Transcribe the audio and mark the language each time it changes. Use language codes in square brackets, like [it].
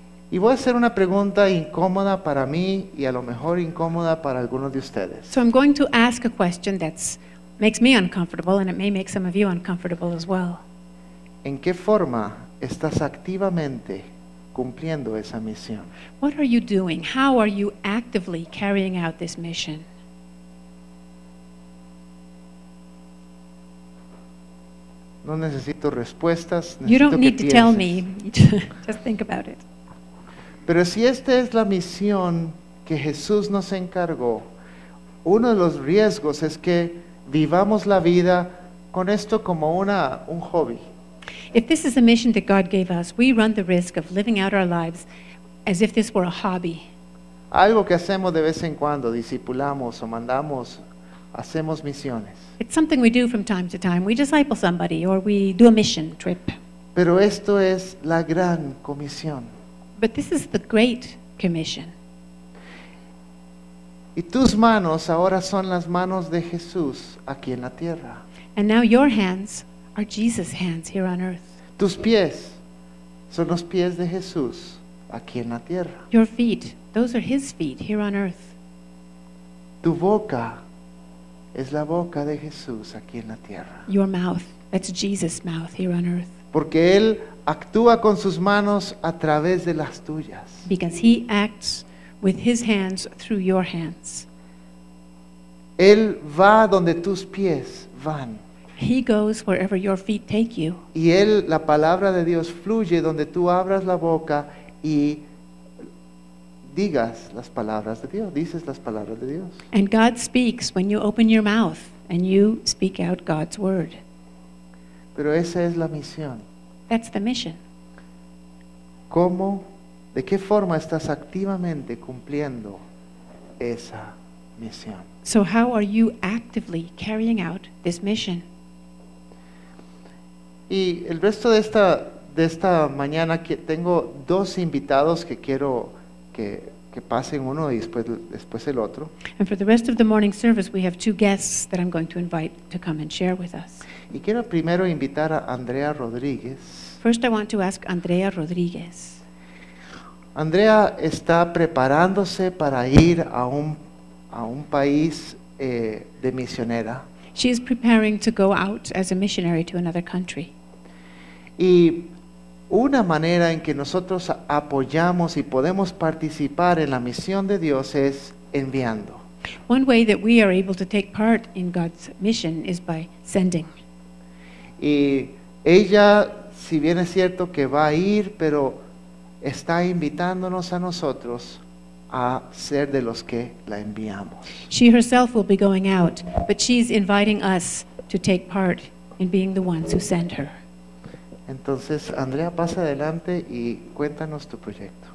[es] Y voy a hacer una pregunta incómoda para mí y a lo mejor incómoda para algunos de ustedes. [en] So I'm going to ask a question that makes me uncomfortable and it may make some of you uncomfortable as well. [es] ¿En qué forma estás activamente cumpliendo esa misión? [en] What are you doing? How are you actively carrying out this mission? [es] No necesito respuestas, necesito [en] you don't need [es] que [en] to Tell me. Just think about it. [es] Pero si esta es la misión que Jesús nos encargó, uno de los riesgos es que vivamos la vida con esto como un hobby. [en] If this is a mission that God gave us, we run the risk of living out our lives as if this were a hobby. [es] Algo que hacemos de vez en cuando, discipulamos o mandamos, hacemos misiones. [en] It's something we do from time to time. We disciple somebody or we do a mission trip. [es] Pero esto es la gran comisión. [en] But this is the Great Commission. [es] Y tus manos ahora son las manos de Jesús aquí en la tierra. [en] And now your hands are Jesus' hands here on earth. [es] Tus pies son los pies de Jesús aquí en la tierra. [en] Your feet, those are his feet here on earth. [es] Tu boca es la boca de Jesús aquí en la tierra. [en] Your mouth, that's Jesus' mouth here on earth. [es] Porque él actúa con sus manos a través de las tuyas. [en] Because he acts with his hands through your hands. [es] Él va donde tus pies van. [en] He goes wherever your feet take you. [es] Y él, la palabra de Dios, fluye donde tú abras la boca y digas las palabras de Dios, dices las palabras de Dios. [en] And God speaks when you open your mouth and you speak out God's word. [es] Pero esa es la misión. [en] That's the mission. [es] ¿Cómo, de qué forma estás activamente cumpliendo esa misión? [en] So how are you actively carrying out this mission? [es] Y el resto de esta mañana que tengo dos invitados que quiero que pasen uno y después el otro. [en] And for the rest of the morning service, we have two guests that I'm going to invite to come and share with us. [es] Y quiero primero invitar a Andrea Rodríguez. [en] First, I want to ask Andrea Rodríguez. [es] Andrea está preparándose para ir a un país de misionera. [en] She is preparing to go out as a missionary to another country. [es] Y una manera en que nosotros apoyamos y podemos participar en la misión de Dios es enviando. [en] One way that we are able to take part in God's mission is by sending. [es] Y ella, si bien es cierto que va a ir, pero está invitándonos a nosotros a ser de los que la enviamos. [en] She herself will be going out, but she's inviting us to take part in being the ones who send her. [es] Entonces, Andrea, pasa adelante y cuéntanos tu proyecto.